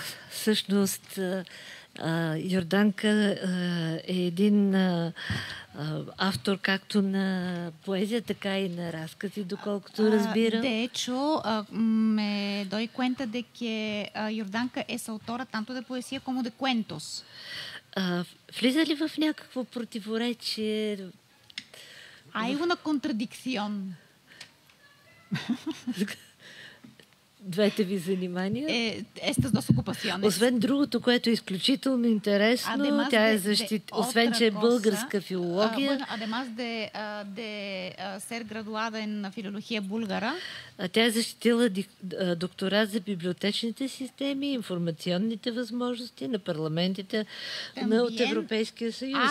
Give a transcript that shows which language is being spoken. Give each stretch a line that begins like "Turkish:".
Bulgarian: Всъщност Йорданка е един автор както на поезия, така и на разкази, доколкото разбирам.
Spanish: De hecho, me doy cuenta de que Йорданка е autora tanto de poesía como de cuentos.
Bulgarian: Влиза ли в някакво противоречие?
Spanish: Hay una contradicción.
Bulgarian: Двете ви занимания.
Spanish: Estas dos ocupaciones.
Bulgarian: Освен другото, което е изключително интересно,
Spanish: además,
Bulgarian: тя е защита, освен че е българска филология.
Spanish: Además de ser graduada en filología búlgara.
Bulgarian: Тя е защитила докторат за библиотечните системи, информационните възможности на парламентите от Европейския съюз.